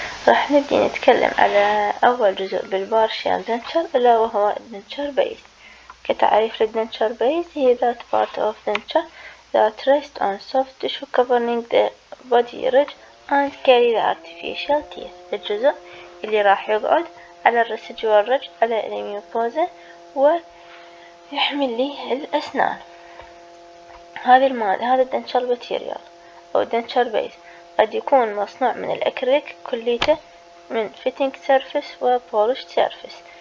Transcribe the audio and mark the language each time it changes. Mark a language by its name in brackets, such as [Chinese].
[Arabic] راح نبدي نتكلم على أول جزء بالبارشيال دنتشر، ألا وهو دنتشر بيز. كتعريف للدنتشر بيز، هي [English] that part of denture that rests on soft tissue covering the body ridge and carry the artificial teeth. [Arabic] الجزء اللي راح يقعد على الرسجوال رج على الميوبوزا ويحمل لي الأسنان. هذه المادة، هذا الدنتشر ماتيريال أو الدنتشر بيز، قد يكون مصنوع من الأكريليك كليته من فيتينج سيرفيس وبولش سيرفيس.